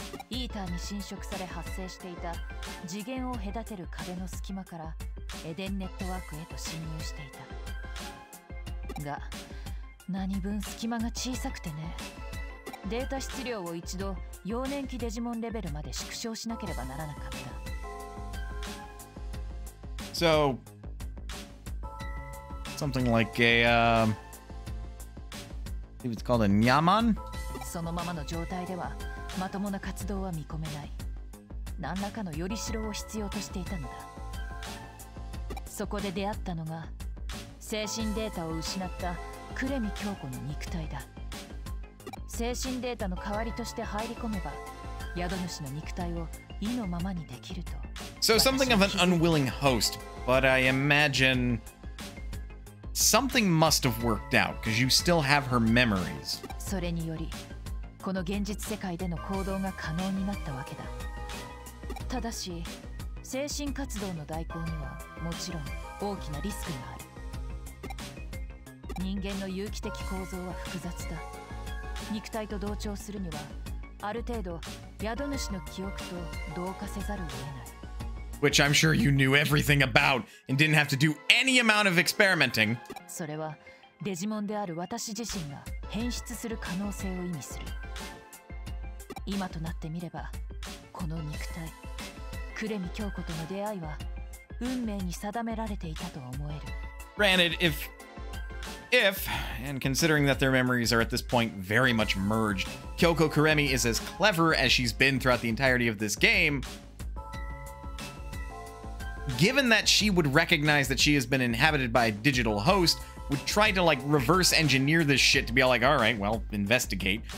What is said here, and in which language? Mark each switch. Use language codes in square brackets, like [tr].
[ja] イーターに侵食され発生していた次元を隔てる壁の隙間からエデンネットワークへと侵入していたが、何分隙間が小さくてね。データ質量を一度幼年期デジモンレベルまで縮小しなければならなかった。 [en] So something like a it's called a Nyaman? [ja] そのままの状態ではまともな活動は見込めない。何らかのよりしろを必要としていたのだ。そこで出会ったのが精神データを失ったクレミ京子の肉体だ。精神データの代わりとして入り込めば宿主の肉体を意のままにできると。 [en] So something of an unwilling host, but I imagine something must have worked out because you still have her memories. [ja] それによりこの現実世界での行動が可能になったわけだ。ただし、精神活動の代行にはもちろん大きなリスクがある。人間の有機的構造は複雑だ。肉体と同調するには、ある程度宿主の記憶と同化せざるを得ない。 [en] Which I'm sure you knew everything about and didn't have to do any amount of experimenting. [ja] それはデジモンである私自身が変質する可能性を意味する。今となってみれば、この肉体、クレミ京子との出会いは運命に定められていたと思える。 [en] Granted, if, and considering that their memories are at this point very much merged, Kyoko Kuremi is as clever as she's been throughout the entirety of this game, given that she would recognize that she has been inhabited by a digital host, would try to like reverse engineer this shit to be all like, all right, well, investigate.